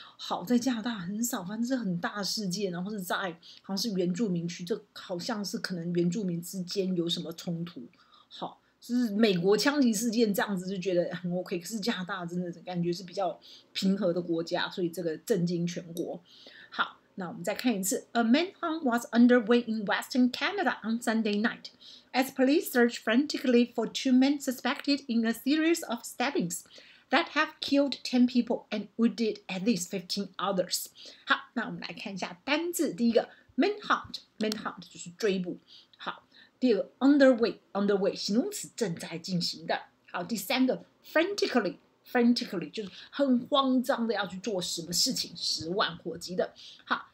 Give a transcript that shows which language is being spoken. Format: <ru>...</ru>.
<zh>好，在加拿大很少，反正是很大事件，然后是在好像是原住民区，这好像是可能原住民之间有什么冲突，好，就是美国枪击事件这样子就觉得很 OK， 可是加拿大真的感觉是比较平和的国家，所以这个震惊全国。好，那我们再看一次</zh> <en>，A manhunt was underway in Western Canada on Sunday night as police searched frantically for two men suspected in a series of stabbings that have killed 10 people and wounded at least 15 others.</en> <zh>好，那我们来看一下单字。第一个 manhunt 就是追捕。好，第二个 underway 形容词正在进行的。好，第三个 frantically 就是很慌张的要去做什么事情，十万火急的。好。</zh>